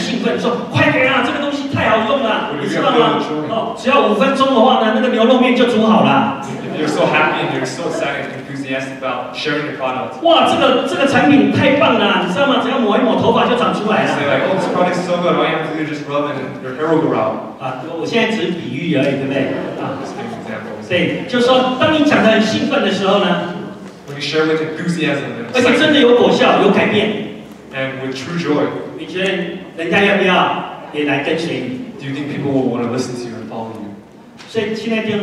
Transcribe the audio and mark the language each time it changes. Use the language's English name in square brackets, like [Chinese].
[Chinese] 有没有吗？没有。对。但是如果你讲得很兴，你里面很兴奋，说快点啊，这个东西。太好用了，你知道吗？哦，只要5分钟的话呢，那个牛肉面就煮好了。 [English] If you're so happy and you're so excited and enthusiastic about sharing your product. [Chinese] 哇，这个产品太棒了，你知道吗？只要抹一抹，头发就长出来了。 [English] Say like, oh, this product is so good. All you have to do is just rub it, and your hair will grow. [Chinese] 啊，我现在只是比喻而已，对不对？啊，对，就是说，当你讲的很兴奋的时候呢， [English] When you share with enthusiasm, [Chinese] 而且真的有果效，有改变， [English] and with true joy. [Chinese] 你觉得人家要不要？也来跟随你。 [English] Do you think people will want to listen to you and follow you?